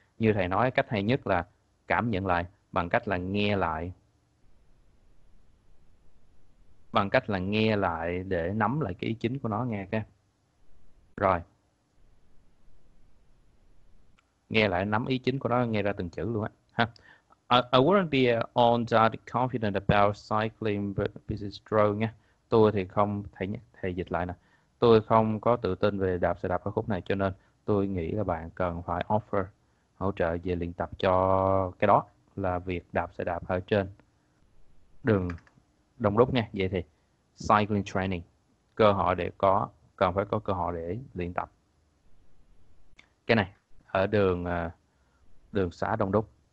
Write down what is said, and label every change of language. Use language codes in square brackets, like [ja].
[vi] Như thầy nói, cách hay nhất là cảm nhận lại bằng cách là nghe lại, bằng cách là nghe lại để nắm lại cái ý chính của nó nghe cái. Rồi. Nghe lại nắm ý chính của nó, nghe ra từng chữ luôn á. [en] I wouldn't be all that confident about cycling but this is true nha. [vi] Tôi thì không, thầy nhé, thầy dịch lại nè. Tôi không có tự tin về đạp xe đạp ở khúc này, cho nên tôi nghĩ là bạn cần phải offer, hỗ trợ về luyện tập cho cái đó, là việc đạp xe đạp ở trên đường đông đúc nha. Vậy thì cycling training, cơ hội để có, cần phải có cơ hội để luyện tập cái này ở đường đường xá đông đúc.